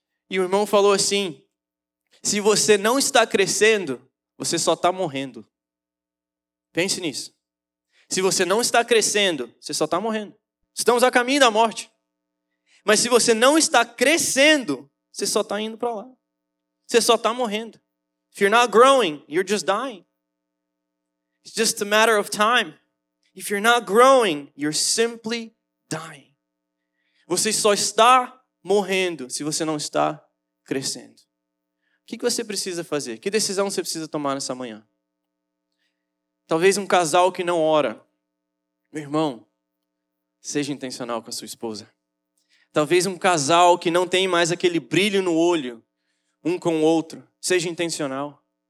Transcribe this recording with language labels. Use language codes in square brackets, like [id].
[pt] E o irmão falou assim, se você não está crescendo, você só está morrendo. Pense nisso. Se você não está crescendo, você só está morrendo. Estamos a caminho da morte. Mas se você não está crescendo, você só está indo para lá. Você só está morrendo. [en] If you're not growing, you're just dying. It's just a matter of time. If you're not growing, you're simply dying. [pt] Você só está morrendo se você não está crescendo. O que você precisa fazer? Que decisão você precisa tomar nessa manhã? Talvez um casal que não ora. Meu irmão, seja intencional com a sua esposa. Talvez um casal que não tem mais aquele brilho no olho, um com o outro, seja intencional.